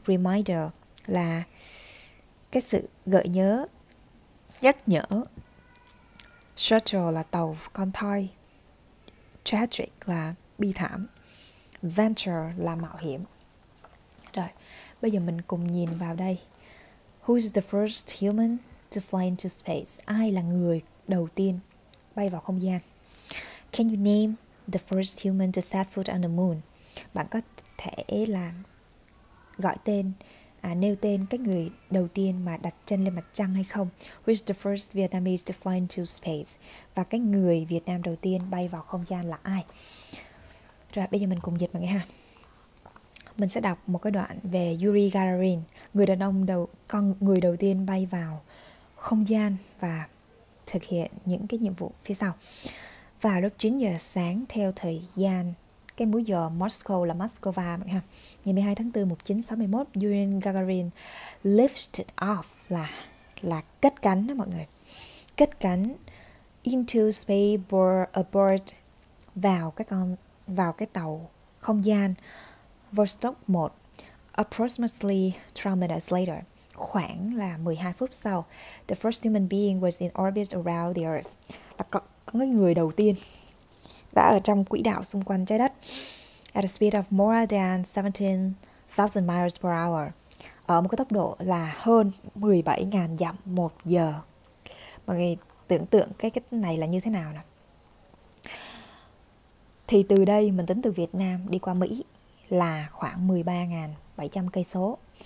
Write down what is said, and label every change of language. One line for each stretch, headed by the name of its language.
Vietnamese: Reminder là cái sự gợi nhớ, nhắc nhở. Shuttle là tàu con thoi. Tragic là bi thảm. Venture là mạo hiểm. Rồi, bây giờ mình cùng nhìn vào đây.
English: Who's the first human to fly into space?
Vietnamese: Ai là người đầu tiên bay vào không gian?
English: Can you name the first human to set foot on the moon?
Vietnamese: Bạn có thể là gọi tên, nêu tên cái người đầu tiên mà đặt chân lên mặt trăng hay không?
English: Who is the first Vietnamese to fly into space?
Vietnamese: Và cái người Việt Nam đầu tiên bay vào không gian là ai? Rồi, bây giờ mình cùng dịch mọi người ha. Mình sẽ đọc một cái đoạn về Yuri Gagarin, người đàn ông đầu, con người đầu tiên bay vào không gian và thực hiện những cái nhiệm vụ phía sau. Vào lúc 9 giờ sáng theo thời gian, cái múi giờ Moscow là Moscow mọi người ha. Ngày 12 tháng 4 1961, Yuri Gagarin
English: lifted off
Vietnamese: là cất cánh đó mọi người. Cất cánh
English: into space aboard
Vietnamese: vào cái tàu không gian Vostok 1
English: approximately 12 minutes later.
Vietnamese: Khoảng là 12 phút sau,
English: the first human being was in orbit around the earth.
Vietnamese: Là có người đầu tiên đã ở trong quỹ đạo xung quanh trái đất.
English: At a speed of more than 17,000 miles per hour.
Vietnamese: Ở một cái tốc độ là hơn 17.000 dặm một giờ. Mọi người tưởng tượng cái này là như thế nào nè. Thì từ đây mình tính từ Việt Nam đi qua Mỹ là khoảng 13.700 cây số.